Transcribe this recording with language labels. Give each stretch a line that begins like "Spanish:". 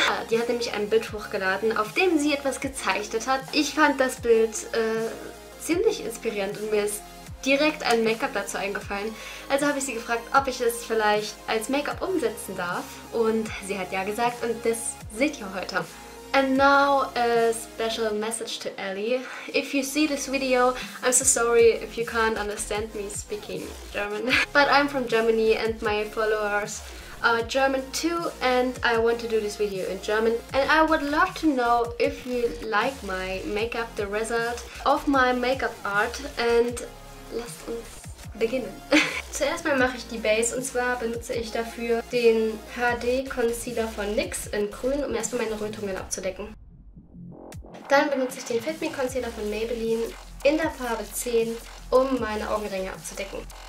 German: Die hat nämlich ein Bild hochgeladen, auf dem sie etwas gezeichnet hat. Ich fand das Bild ziemlich inspirierend und mir ist direkt ein Make-up dazu eingefallen. Also habe ich sie gefragt, ob ich es vielleicht als Make-up umsetzen darf. Und sie hat ja gesagt und das seht ihr heute.
English: And now a special message to Ellie. If you see this video, I'm so sorry if you can't understand me speaking German. But I'm from Germany and my followers are German too, and I want to do this video in German. And I would love to know if you like my makeup, the result of my makeup art, and
German: lasst uns beginnen. Zuerst mal mache ich die Base und zwar benutze ich dafür den HD Concealer von NYX in Grün, um erstmal meine Rötungen abzudecken. Dann benutze ich den Fit Me Concealer von Maybelline in der Farbe 10, um meine Augenringe abzudecken.